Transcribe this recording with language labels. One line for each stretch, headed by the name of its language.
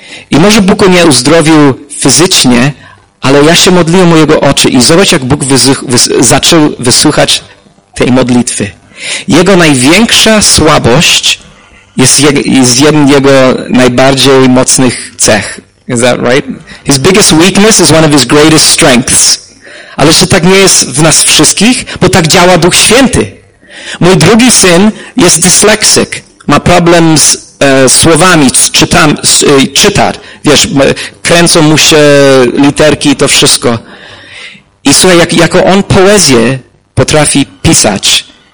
Polish: I może Bóg go nie uzdrowił fizycznie, ale ja się modliłem o jego oczy i zobacz, jak Bóg zaczął wysłuchać tej modlitwy. Jego największa słabość jest jedną jego najbardziej mocnych cech.
English: Is that right? His biggest weakness is one of his greatest strengths.
Polish: Ale czy tak nie jest w nas wszystkich? Bo tak działa Duch Święty. Mój drugi syn jest dyslexik. Ma problem z słowami, czytar. Wiesz, kręcą mu się literki i to wszystko. I słuchaj, jako on poezję potrafi pisać.